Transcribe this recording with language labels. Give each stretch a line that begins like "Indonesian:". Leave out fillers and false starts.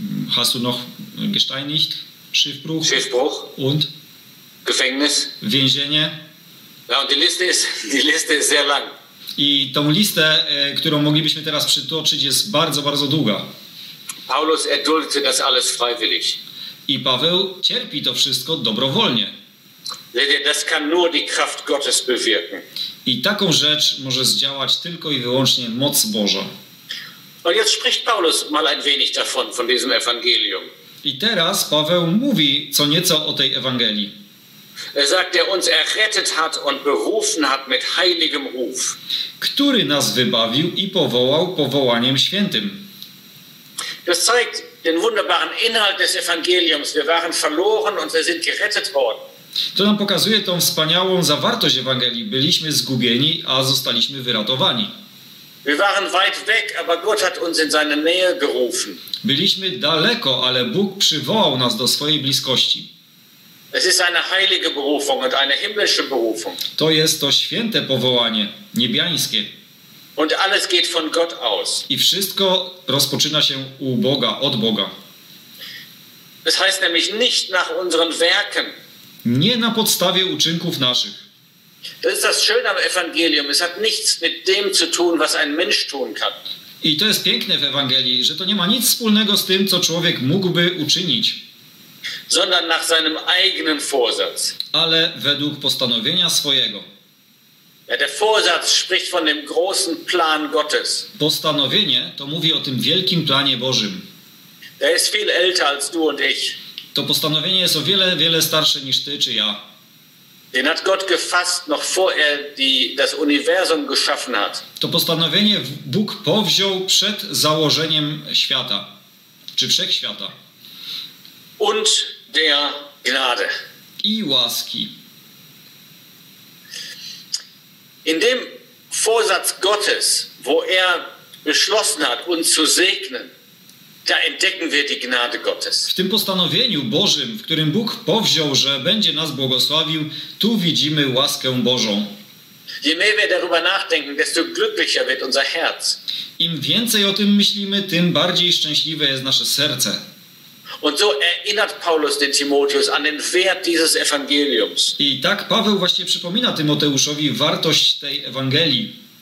German: Hast du noch gesteinigt? Schiffbruch und Gefängnis,
Polish: więzienie.
German: Ja, und die Liste ist sehr lang.
Polish: I tą listę, którą moglibyśmy teraz przytoczyć, jest bardzo, bardzo długa.
German: Paulus erduldete das alles freiwillig.
Polish: I Paweł cierpi to wszystko dobrowolnie.
German: Das kann nur die Kraft Gottes bewirken.
Polish: I taką rzecz może zdziałać tylko i wyłącznie moc Boża.
German: Und jetzt spricht Paulus mal ein wenig davon, von diesem Evangelium.
Polish: I teraz Paweł mówi co nieco o tej Ewangelii.
German: Er sagt, der uns errettet hat und berufen hat mit heiligem Ruf.
Polish: Który nas wybawił i powołał powołaniem świętym.
German: Das zeigt den wunderbaren Inhalt des Evangeliums. Wir waren verloren und wir sind gerettet worden.
Polish: To nam pokazuje tą wspaniałą zawartość Ewangelii. Byliśmy zgubieni, a zostaliśmy wyratowani.
German: Wir waren weit weg, aber Gott hat uns in seine Nähe gerufen.
Polish: Byliśmy daleko, ale Bóg przywołał nas do swojej bliskości.
German: Es ist eine heilige Berufung und eine himmlische Berufung.
Polish: To jest to święte powołanie, niebiańskie.
German: Und alles geht von Gott aus.
Polish: I wszystko rozpoczyna się u Boga, od Boga.
German: Das heißt nämlich nicht nach unseren Werken.
Polish: Nie na podstawie uczynków naszych.
German: Das ist das Schöne am Evangelium. Es hat nichts mit dem zu tun, was ein Mensch tun kann.
Polish: I to jest piękne w Ewangelii, że to nie ma nic wspólnego z tym, co człowiek mógłby uczynić.
German: Sondern nach seinem eigenen Vorsatz.
Polish: Ale według postanowienia swojego.
German: Ja, der Vorsatz spricht von dem großen Plan Gottes.
Polish: Postanowienie to mówi o tym wielkim planie Bożym.
German: Der ist viel älter als du und ich.
Polish: To postanowienie jest o wiele, wiele starsze niż ty czy ja.
German: Den hat Gott gefasst, noch vor er das Universum geschaffen hat.
Polish: To postanowienie Bóg powziął przed założeniem świata, czy wszechświata.
German: Und der Gnade.
Polish: I łaski.
German: In dem Vorsatz Gottes, wo er beschlossen hat, uns zu segnen, da entdecken wir die Gnade Gottes.
Polish: W tym postanowieniu Bożym, w którym Bóg powziął, że będzie nas błogosławił, tu widzimy łaskę Bożą.
German: Je mehr wir darüber nachdenken, desto glücklicher wird unser Herz.
Polish: Im więcej o tym myślimy, tym bardziej szczęśliwe jest nasze serce.
German: Und so erinnert Paulus den Timotheus an den Wert dieses Evangeliums.
Polish: I tak Paweł właśnie przypomina Tymoteuszowi wartość tej Ewangelii.